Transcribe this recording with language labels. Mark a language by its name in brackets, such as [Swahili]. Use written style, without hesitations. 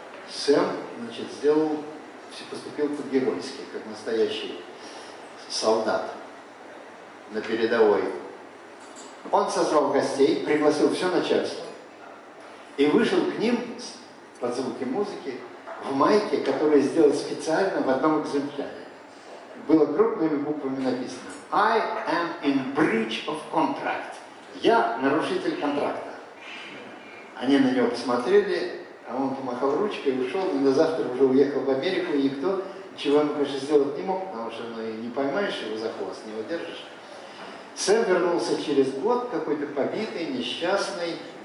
[Russian] Сэм, значит, сделал, все поступил по-геройски, как настоящий солдат на передовой. Он созвал гостей, пригласил все начальство и вышел к ним под звуки музыки в майке, которую сделал специально в одном экземпляре. Было крупными буквами написано: [English] «I am in breach of contract». [Russian] «Я нарушитель контракта». Они на него посмотрели, а он помахал ручкой и ушел, но на завтра уже уехал в Америку, и никто ничего ему, конечно, сделать не мог, потому что, ну, и не поймаешь его за хвост, не удержишь. Сэм вернулся через год, какой-то побитый, несчастный.